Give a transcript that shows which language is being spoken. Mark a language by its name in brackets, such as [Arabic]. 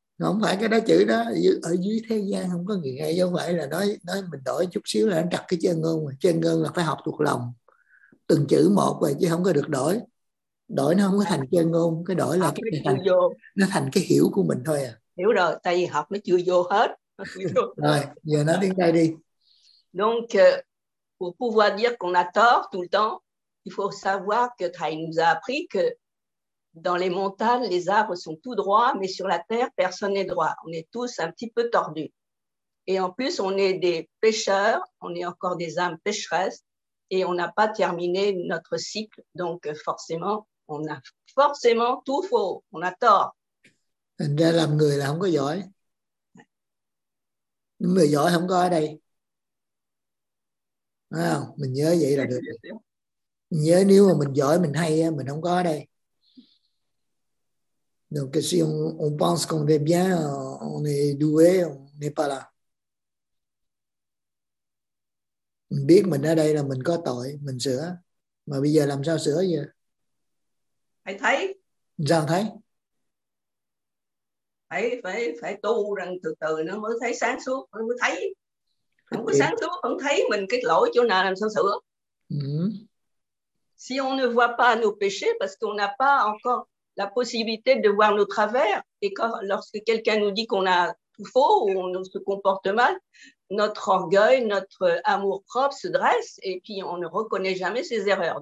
[Vietnamese] Không phải cái đó chữ đó, ở dưới thế gian không có người ngay, không phải là nói mình đổi chút xíu là anh đặt cái chân ngôn mà. Chân ngôn là phải học thuộc lòng, từng chữ một rồi chứ không có được đổi. Đổi nó không có thành chân ngôn, cái đổi là cái thành, nó thành cái hiểu của mình thôi à. Hiểu rồi, tại vì học nó chưa vô hết. Rồi, giờ nói tiếng Tây đi. [French] Donc, pour pouvoir dire qu'on a tort tout le temps, il faut savoir que Thầy nous a appris que dans les montagnes, les arbres sont tout droits, mais sur la terre, personne n'est droit. On est tous un petit peu tordus. Et en plus, on est des pêcheurs, on est encore des âmes pécheresses, et on n'a pas terminé notre cycle. Donc, forcément, on a forcément tout faux. On a tort. [Vietnamese] Thành ra làm người là không có giỏi. Người giỏi không có ở đây. À, mình nhớ vậy là được. Mình nhớ nếu mà mình giỏi, mình hay, mình không có ở đây. [French] Donc si on pense qu'on est bien, on est doué, on n'est pas là. [Vietnamese] Mình biết mình ở đây là mình có tội, mình sửa. Mà bây giờ làm sao sửa vậy? Phải thấy. Sao thấy? Phải tu rằng từ từ nó mới thấy sáng suốt, nó mới thấy. Không có sáng suốt, không thấy mình cái lỗi chỗ nào làm sao sửa. [French] Si on ne voit pas nos péchés parce qu'on n'a pas encore la possibilité de voir nos travers, et quand, lorsque quelqu'un nous dit qu'on a tout faux ou on se comporte mal, notre orgueil, notre amour propre se dresse et puis on ne reconnaît jamais ses erreurs.